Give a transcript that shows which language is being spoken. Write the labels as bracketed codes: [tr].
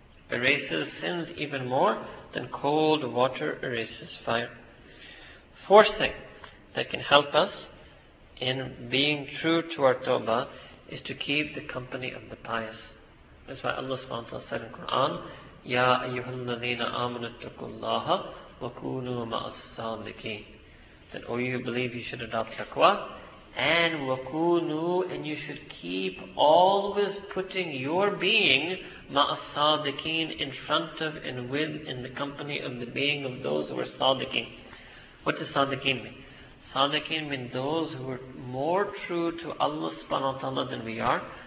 [en] Erases sins even more than cold water erases fire. Fourth thing that can help us in being true to our Tawbah is to keep the company of the pious. That's why Allah subhanahu wa ta'ala said in Quran, [ar] يا أيها الذين آمنوا اتقوا الله وكونوا مع الصادقين. [en] That, oh, you believe, you should adopt taqwa. And wakunu, and you should keep always putting your being, ma'as-sadiqeen, in front of and with, in the company of the being of those who are sadiqeen. What does sadiqeen mean? Sadiqeen mean those who are more true to Allah subhanahu wa ta'ala than we are.